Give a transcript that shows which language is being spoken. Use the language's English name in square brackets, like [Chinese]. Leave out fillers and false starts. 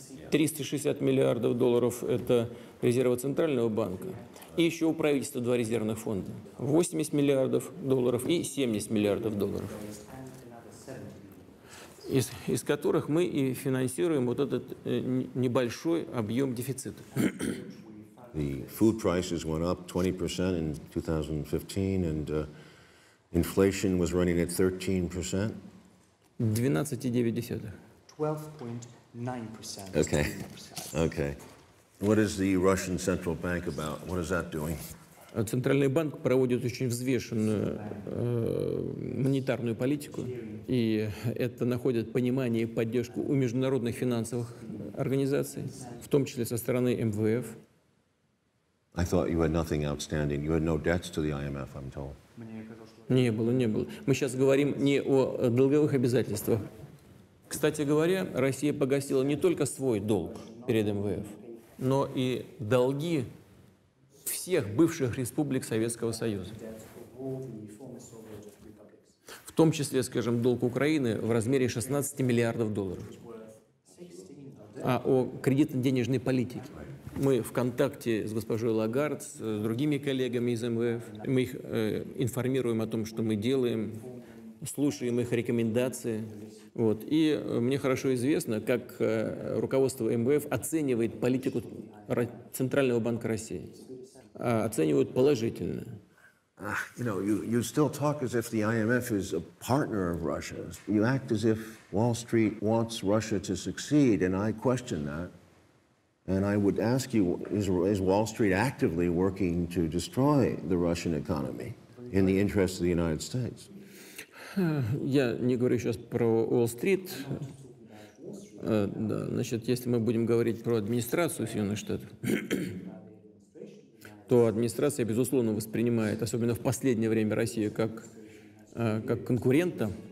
[Russian] 360 миллиардов долларов – это резервы Центрального банка. И еще у правительства два резервных фонда – 80 миллиардов долларов и 70 миллиардов долларов. Из которых мы и финансируем вот этот небольшой объем дефицита. [English] The food prices went up 20% in 2015, and inflation was running at 13%. 12.9%. Okay. Okay. What is the Russian Central Bank about? What is that doing? [Russian] Центральный банк проводит очень взвешенную монетарную политику, и это находит понимание и поддержку у международных финансовых организаций, в том числе со стороны МВФ. [English] I thought you had nothing outstanding. You had no debts to the IMF, I'm told. [Russian] Не было, не было. Мы сейчас говорим не о долговых обязательствах. Кстати говоря, Россия погасила не только свой долг перед МВФ, но и долги всех бывших республик Советского Союза. В том числе, скажем, долг Украины в размере 16 миллиардов долларов. А о кредитно-денежной политике. Мы в контакте с госпожой Лагард, с другими коллегами из МВФ. Мы их информируем о том, что мы делаем, слушаем их рекомендации. Вот. И мне хорошо известно, как руководство МВФ оценивает политику Центрального банка России. Оценивают положительно. [English] You know, you still talk as if the IMF is a partner of Russia. You act as if Wall Street wants Russia to succeed, and I question that. And I would ask you, is Wall Street actively working to destroy the Russian economy in the interest of the United States? [Russian] Я не говорю сейчас про Уолл-стрит. Да, значит, если мы будем говорить про администрацию Соединенных Штатов, то администрация, безусловно, воспринимает, особенно в последнее время, Россию как конкурента.